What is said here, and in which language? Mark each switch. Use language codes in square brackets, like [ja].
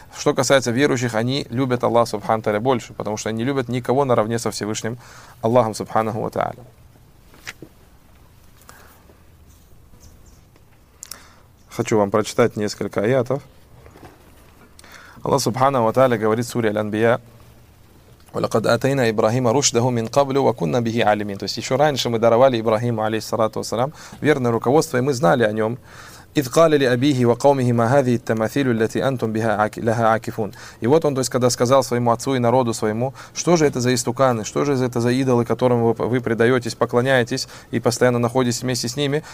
[ru] Что касается верующих, они любят Аллаха субханаху ва тааля больше, потому что они любят никого наравне со Всевышним Аллахом субханаху ва тааля. Хочу вам прочитать несколько аятов. Аллах субханаху ва тааля говорит в суре Аль-Анбия: [ar] وَلَقَدْ أَتَيْنَا إِبْرَاهِيمَ رُشْدَهُ مِنْ قَبْلُ وَكُنَّا بِهِ عَلِمِينَ. [ru] То есть еще раньше мы даровали Ибрахиму, алейхиссалату вассалам, верное руководство, и мы знали о нем. [ar] إِذْ قَالَ لِأَبِيهِ وَقَوْمِهِ مَا هَذِهِ التَّمَاثِيلُ الَّتِي أَنْتُمْ بِهَا لَهَا عَاكِفُونَ. [ru] И вот он, то есть, когда сказал своему отцу и народу своему: что же это за истуканы, что же это за идолы, которым вы предаетесь, поклоняетесь и постоянно находитесь вместе с ними.